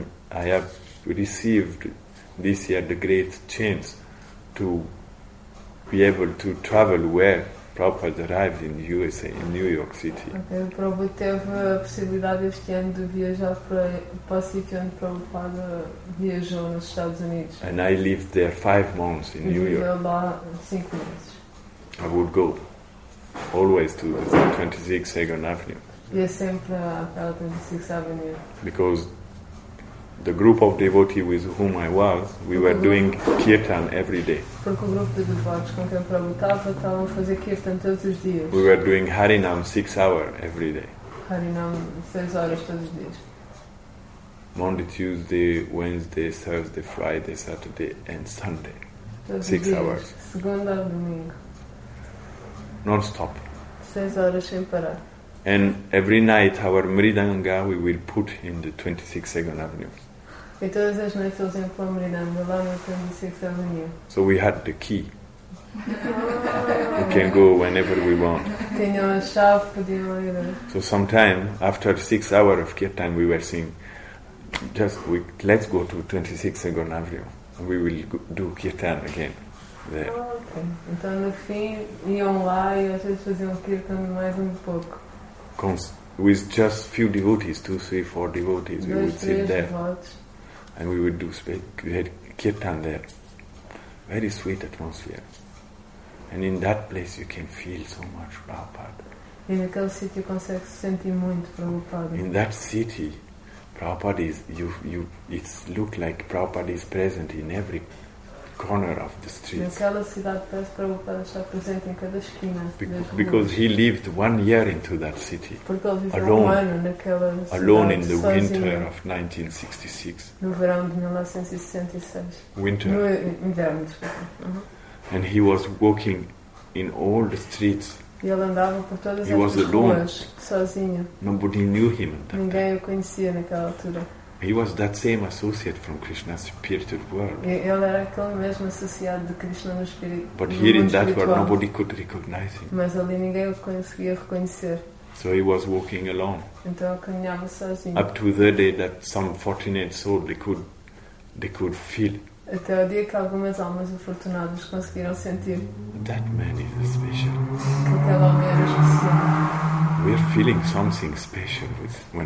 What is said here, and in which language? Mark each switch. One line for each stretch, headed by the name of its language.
English: I have received this year the great chance to be able to travel where Prabhupada arrived in USA, in New York City.
Portuguese: Okay, Prabhupada teve a possibilidade este ano de viajar para o sítio onde Prabhupada viajou nos Estados Unidos.
English: And I lived there 5 months in New York.
Portuguese: Viveu lá 5 meses.
English: I would go always to the 26th Second Avenue.
Portuguese: Ia sempre àquela 26th Avenue.
English: Because the group of devotees with whom I was, we were doing kirtan every day.
Portuguese: Porque o grupo de devotos com quem eu estava estavam a fazer kirtan todos os dias.
English: We were doing harinam 6 hours every day.
Portuguese: Harinam 6 horas todos os dias.
English: Monday, Tuesday, Wednesday, Thursday, Friday, Saturday and Sunday.
Portuguese: Todos
English: 6 hours.
Portuguese: Segunda a domingo.
English: Non-stop.
Portuguese: 6 horas sem parar.
English: And every night our mridanga we will put in the 26th Second Avenue.
Portuguese: E todas as noites eles iam para o mridanga lá na 26th Avenue.
English: So we had the key. We can go whenever we want.
Portuguese: Tinham a chave, podiam ir.
English: So sometime after 6 hours of kirtan we were saying, let's go to 26th Second Avenue and we will do kirtan again there. Okay.
Portuguese: Então no fim iam lá e às vezes faziam kirtan mais pouco.
English: With just few devotees, 2, 3, 4 devotees, we would sit there, and we would do kirtan there. Very sweet atmosphere, and in that place you can feel so much Prabhupada.
Portuguese: E naquele sítio consegue sentir muito Prabhupada.
English: In that city, Prabhupada is you. It looked like Prabhupada is present in every corner of the street.
Portuguese: Naquela cidade parece que Prabhupada está presente em cada esquina.
English: Because he lived 1 year into that city.
Portuguese: Porque ele viveu um ano naquela cidade.
English: Alone in the
Portuguese: sozinho.
English: Winter of 1966.
Portuguese: No verão de 1966.
English: Winter.
Portuguese: No inverno. Uh-huh.
English: And he was walking in all the streets.
Portuguese: E ele andava por todas
English: he
Portuguese: as
English: was
Portuguese: ruas
English: alone.
Portuguese: Sozinho.
English: Nobody knew him.
Portuguese: Ninguém o conhecia naquela altura.
English: He was that same associate from Krishna's spiritual world.
Portuguese: Ele era aquele mesmo associado de Krishna no espírito.
English: But here in that world, nobody could recognize him.
Portuguese: Mas ali ninguém o conseguia reconhecer.
English: So he was walking alone.
Portuguese: Então ele caminhava sozinho.
English: Up to the day that some fortunate soul they could feel.
Portuguese: Até o dia que algumas almas afortunadas conseguiram sentir.
English: That man is special.
Portuguese: Aquele homem era especial.
English: We are feeling something special with when